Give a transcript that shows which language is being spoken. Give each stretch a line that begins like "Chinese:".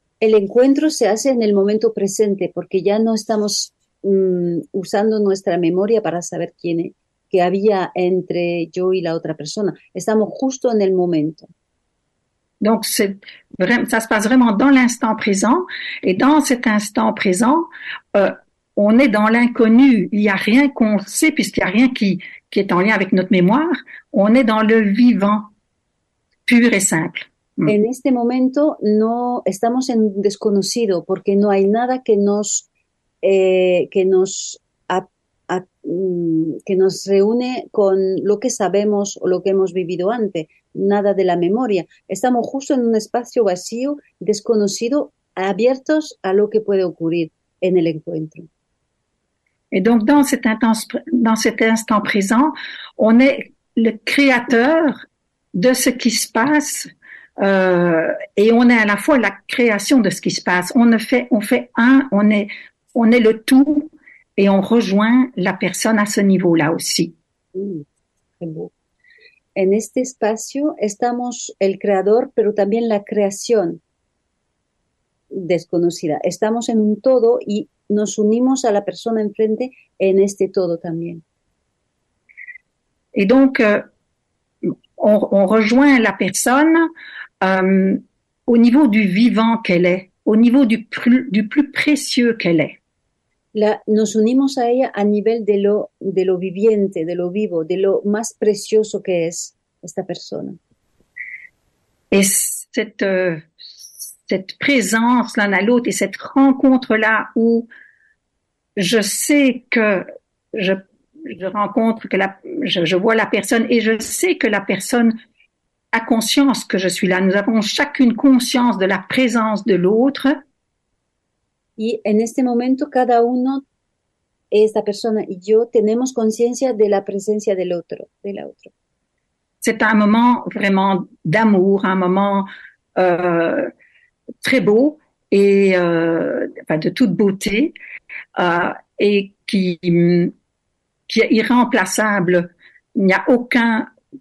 Spanish: El encuentro se hace en el momento presente porque ya no estamos usando nuestra memoria para saber quién es, qué había entre yo y la otra persona. Estamos justo en el momento.
French: Donc ça se passe vraiment dans l'instant présent et dans cet instant présent, on est dans l'inconnu. Il n'y a rien qu'on sait puisqu'il n'y a rien qui est en lien avec notre mémoire. On est dans le vivant pur et simple.
Spanish: En este momento no estamos en desconocido porque no hay nada que nos reúne con lo que sabemos o lo que hemos vivido antes, nada de la memoria. Estamos justo en un espacio vacío, desconocido, abiertos a lo que puede ocurrir en el encuentro.
French: Et donc dans cet instant présent, on est le créateur de ce qui se passe. Et on est à la fois la création de ce qui se passe. On est le tout et on rejoint la personne à ce niveau-là aussi. Très beau.
Spanish: En este espacio estamos el creador, pero también la creación. desconocida. Estamos en un todo y nos unimos a la persona enfrente en este todo también.
French: Et donc, on rejoint la personne au niveau du vivant qu'elle est, au niveau du plus précieux qu'elle est.
Spanish: Nos unimos a ella a nivel de lo viviente, de lo vivo, de lo más precioso que es esta persona.
French: Et cette présence l'un à l'autre et cette rencontre-là où je sais que je rencontre, que je vois la personne et je sais que la personne a conscience que je suis là. Nous avons chacune conscience de la présence de l'autre.
Spanish: Y en este momento cada uno, esta persona y yo, tenemos conciencia de la presencia del otro, de la otra.
French: C'est un moment vraiment d'amour, un moment très beau et de toute beauté et qui est irremplaçable. Il n'y a aucun...